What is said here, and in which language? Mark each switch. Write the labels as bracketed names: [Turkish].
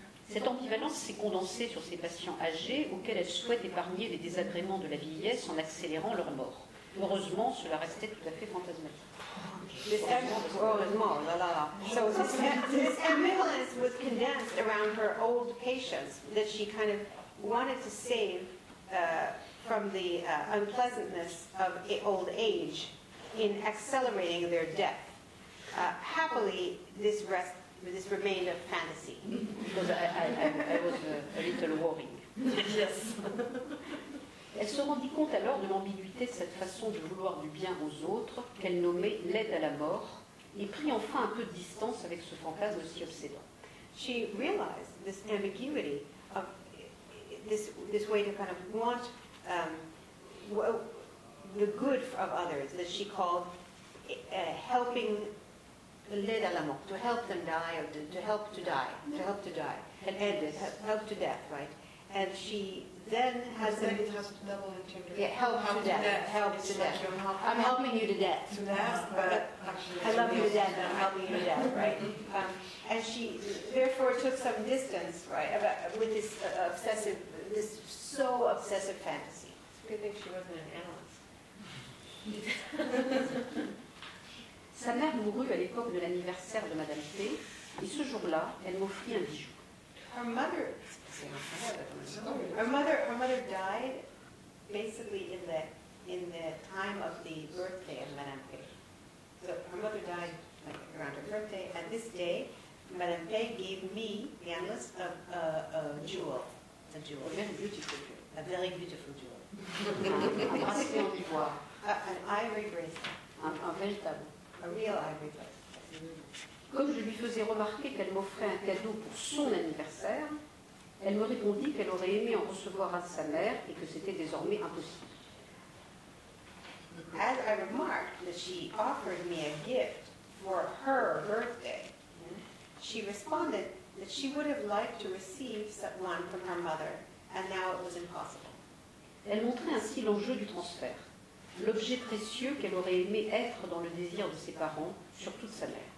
[French] Cette ambivalence s'est condensée sur ses patients âgés auxquels elle souhaite épargner les désagréments de la vieillesse en accélérant leur mort. Heureusement, cela restait tout à fait fantasmatique. Heureusement, là là là. [English] So this ambivalence was condensed around her old patients that she kind of wanted to save from the unpleasantness of old age in accelerating their death. Happily, this rest. This remained a fantasy. Because I was a little worrying. Yes. [French] Elle se rendit compte alors de l'ambiguïté de cette façon de vouloir du bien aux autres, qu'elle nommait l'aide à la mort, et prit enfin un peu de distance avec ce fantasme aussi obsédant. [English] She realized this ambiguity of this way to kind of want the good of others that she called helping. [French] L'aide à la mort, [English] to help them die, or to help to die, and help to death, right? And she then has the double interpretation. Yeah, help to death. I'm helping you to death. To death, but I love you to death. I'm helping you to death, right? And she therefore took some distance, right, about, with this obsessive, this so obsessive fantasy. It's a good thing she wasn't an analyst. [French] Sa mère mourut à l'époque de l'anniversaire de Madame P, et ce jour-là, elle m'offrit un bijou. [English] Her mother died basically in the time of the birthday of Madame P. So her mother died like around her birthday. At this day, Madame P gave me the analyst a jewel, a very beautiful jewel, an ivory bracelet, [French] un véritable. [English] A real ivory. [French] Comme je lui faisais remarquer qu'elle m'offrait un cadeau pour son anniversaire, elle me répondit qu'elle aurait aimé en recevoir à sa mère et que c'était désormais impossible. [English] As I remarked that she offered me a gift for her birthday, she responded that she would have liked to receive one from her mother, and now it was impossible. [French] Elle montrait ainsi l'enjeu du transfert. L'objet précieux qu'elle aurait aimé être dans le désir de ses parents, surtout de sa mère.